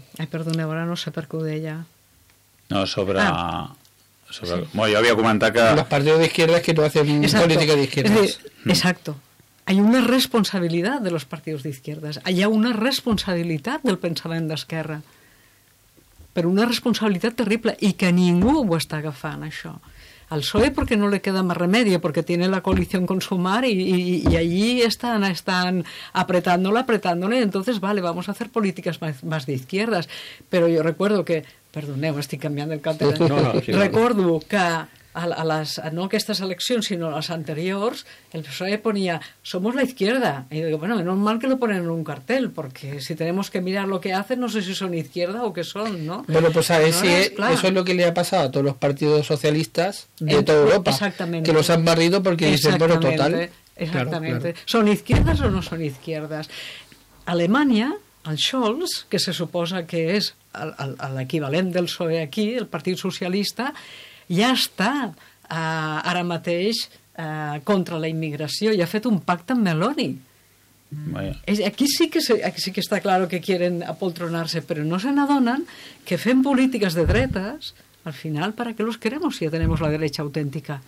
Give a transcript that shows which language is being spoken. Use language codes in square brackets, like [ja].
[ca] Perdoneu, ara no sé per què ho deia. No, sobre... Ah. Sobre... Sí. [es] Bueno, yo había comentado que... Los partidos de izquierda es que no hacen exacto. Política de izquierdas. Exacto. Hay una responsabilidad de los partidos de izquierdas. Hay una responsabilidad del pensamiento de esquerra. Pero una responsabilidad terrible. [ca] Y que ningú ho està agafant, això. [es] Al PSOE porque no le queda más remedio, porque tiene la coalición con Sumar y allí están apretándola, y entonces, vale, vamos a hacer políticas más de izquierdas. Pero yo recuerdo que... [ca] Perdoneu, estic canviant el càtedra. No, sí, recordo que a les, no aquestes eleccions, sinó a les anteriors, el PSOE ponia [es] «Somos la izquierda». [ca] I jo dic, [es] bueno, menos mal que lo ponen en un cartel, porque si tenemos que mirar lo que hacen, no sé si son izquierda o qué son, ¿no? Bueno, pues a ver, no, si es, claro. Eso es lo que le ha pasado a todos los partidos socialistas de toda Europa. Exactamente. Que los han barrido porque dicen, bueno, total. Exactamente. Claro, claro. ¿Son izquierdas o no son izquierdas? [ca] Alemania, el Scholz, que se suposa que és l'equivalent del PSOE aquí, el Partit Socialista, ja està ara mateix contra la immigració i ha fet un pacte amb Meloni. Aquí sí que està clar que quieren apoltronar-se, però no se n'adonen que fent polítiques de dretes, al final, [es] ¿para qué los queremos si ya tenemos la derecha auténtica?